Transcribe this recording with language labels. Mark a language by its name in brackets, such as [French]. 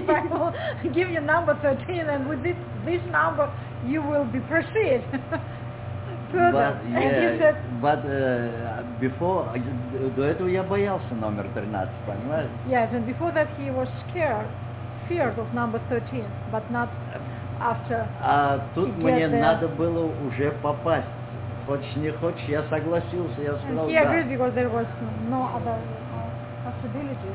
[English] If I will give you number 13, and with this number, you will be proceed. But yeah, said, but before, [Russian] до этого я боялся номер 13, понимаешь? [English] Yes, and before that he was feared of number 13, but not after. [Russian] А тут мне надо было уже попасть. Хочешь, не хочешь, я согласился, я сказал, да. [English] And he agreed because there was no other possibility.